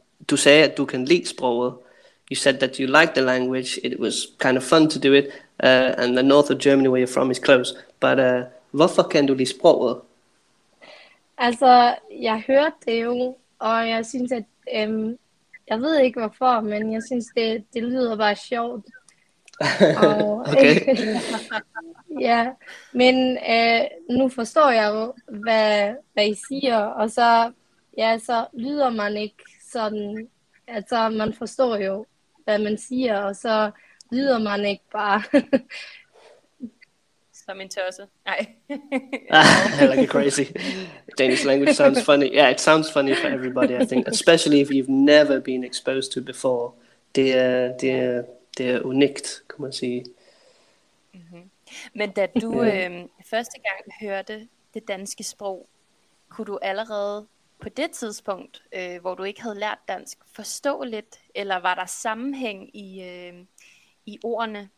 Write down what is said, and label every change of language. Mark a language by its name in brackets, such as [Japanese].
[Danish] Du sagde, at du kan lide sproget. [English] You said that you liked the language. It was kind of fun to do it. And the north of Germany, where you're from, is close. [Danish] But hvorfor kan du lide sproget? Altså, jeg hørte det jo, og jeg synes, at jeg ved ikke hvorfor, men jeg synes, det lyder bare sjovt. Og, okay. Ja, men nu forstår jeg jo, hvad I siger, og så lyder man ikke sådan, altså man forstår jo, hvad man siger, og så lyder man ikke bare som en tørse. Nej. [English] Like a crazy. Danish language sounds funny. Yeah, it sounds funny for everybody, I think. Especially if you've never been exposed to before. [Danish] Det er unikt, kan man sige. Men da du første gang hørte det danske sprog, kunne du allerede på det tidspunkt, hvor du ikke havde lært dansk, forstå lidt, eller var der sammenhæng i ordene?